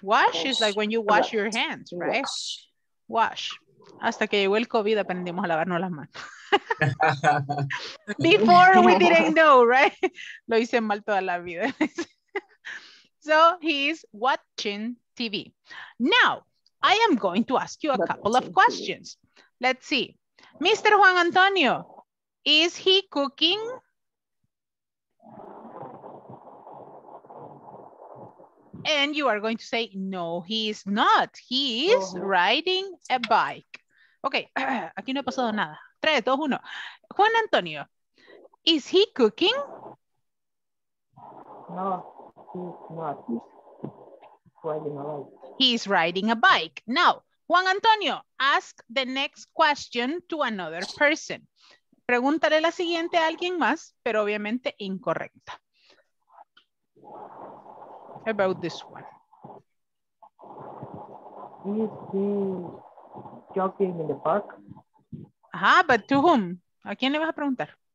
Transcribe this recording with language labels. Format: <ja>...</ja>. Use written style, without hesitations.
<en>Wash is like when you wash your hands, right? Wash.</en> <es>Hasta que llegó el COVID aprendimos a lavarnos las manos.</es> <en>Before we didn't know, right?</en> <es>Lo hice mal toda la vida.</es> <en>So he is watching TV. Now, I am going to ask you a couple of questions. Let's see. Mr. Juan Antonio, is he cooking? And you are going to say, no, he is not. He is riding a bike. Okay,</en> <es>aquí no ha pasado nada. Tres, dos, uno.</es> <en>Juan Antonio, is he cooking? No, he's not. He's riding a bike. Now, Juan Antonio, ask the next question to another person.</en> <es>Preguntaré la siguiente a alguien más, pero obviamente incorrecta.</es> <en>About this one. Is he jogging in the park?</en> <es>Ajá,</es> <en>but to whom?</en> <es>¿A quién le vas a preguntar?</es>